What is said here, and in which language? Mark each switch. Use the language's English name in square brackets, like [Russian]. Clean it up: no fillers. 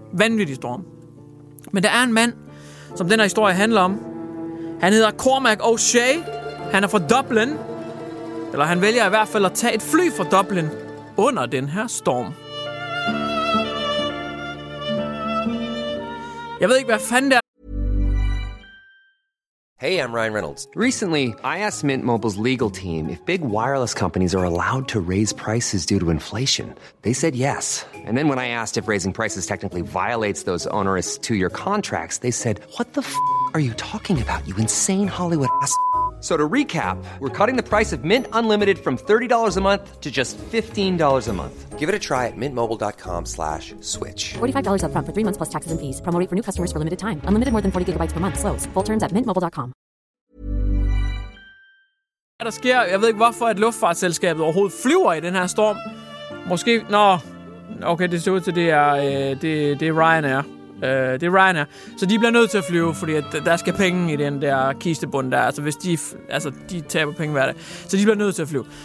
[Danish] Vanvittig storm. Men der er en mand, som den her historie handler om. Han hedder Cormac O'Shea. Han er fra Dublin. Eller han vælger i hvert fald at tage et fly fra Dublin under den her storm. Jeg ved ikke, hvad fanden der. [English] Hey, I'm Ryan Reynolds. Recently, I asked Mint Mobile's legal team if big wireless companies are allowed to raise prices due to inflation. They said yes. And then when I asked if raising prices technically violates those onerous two-year contracts, they said, what the f*** are you talking about, you insane Hollywood ass f***? So to recap, we're cutting the price of Mint Unlimited from $30 a month to just $15 a month. Give it a try at mintmobile.com/switch. $45 up front for 3 months plus taxes and fees. Promo rate for new customers for limited time. Unlimited more than 40 gigabytes per month. Slows full terms at mintmobile.com. [Danish] Hvad der sker? Jeg ved ikke, hvorfor at luftfartsselskabet overhovedet flyver i den her storm. Måske... Nå... Okay, det ser ud til, det er Ryanair. Det er Ryanair. Så de bliver nødt til at flyve, fordi der skal penge i den der kistebund der. Altså, hvis de... Altså, de taber penge hver dag. Så de bliver nødt til at flyve.